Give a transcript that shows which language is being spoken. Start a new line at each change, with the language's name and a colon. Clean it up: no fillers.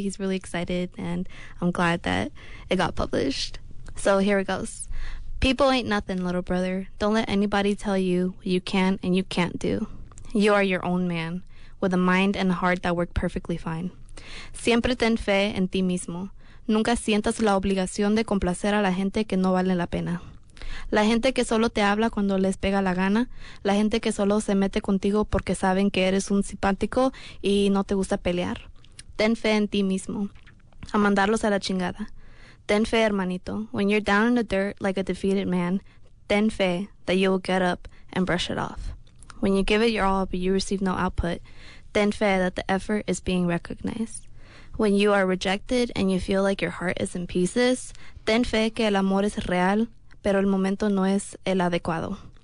English: He's really excited, and I'm glad that it got published. So here it goes. People ain't nothing, little brother. Don't let anybody tell you what you can and you can't do. You are your own man, with a mind and a heart that work perfectly fine.
Spanish: Siempre ten fe en ti mismo. Nunca sientas la obligación de complacer a la gente que no vale la pena. La gente que solo te habla cuando les pega la gana. La gente que solo se mete contigo porque saben que eres un simpático y no te gusta pelear. Ten fe en ti mismo, a mandarlos a la chingada. Ten fe, hermanito.
English: When you're down in the dirt like a defeated man,
Spanish: ten fe
English: that you will get up and brush it off. When you give it your all but you receive no output,
Spanish: ten fe
English: that the effort is being recognized. When you are rejected and you feel like your heart is in pieces,
Spanish: ten fe que el amor es real, pero el momento no es el adecuado.